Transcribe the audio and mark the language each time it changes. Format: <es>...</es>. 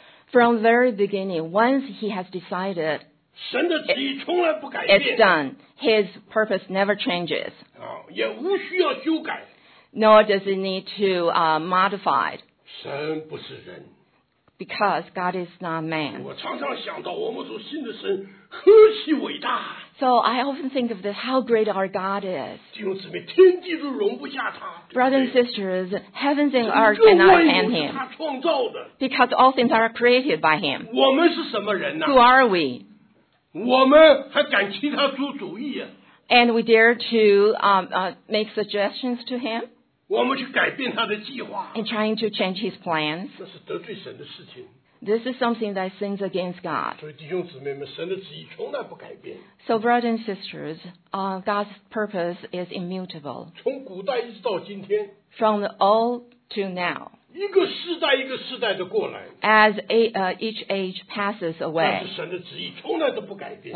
<en>from the very beginning, once he has decided,</en> <zh>神的旨意从来不改变。</zh> <en>It's done. His purpose never changes.</en> <zh>也无需要修改。</zh> <en>Nor does it need to modify.</en> <zh>神不是人。</zh> <en>Because God is not man.</en> <zh>我常常想到我们所信的神何其伟大。</zh> <en>So I often think of this, how great our God is.</en> <zh>弟兄姊妹，天地都容不下他。</zh> <en>Brothers and sisters, heavens and earth cannot contain him.</en> <zh>他创造的。</zh> <en>Because all things are created by him.</en> <zh>我们是什么人呢？</zh> <en>Who are we?</en> <zh>我们还敢替他出主意啊？</zh> <en>And we dare to make suggestions to him?</en> <zh>我们去改变他的计划。</zh> <en>And trying to change his plans?</en> <zh>那是得罪神的事情。</zh> <en>This is something that sins against God.</en> <zh>所以弟兄姊妹们，神的旨意从来不改变。</zh> <en>So brothers and sisters, God's purpose is immutable.</en> <zh>从古代一直到今天。</zh> <en>From the old to now.</en> <zh>一个世代一个世代的过来。</zh> <en>As each age passes away.</en> <zh>但是神的旨意从来都不改变。</zh>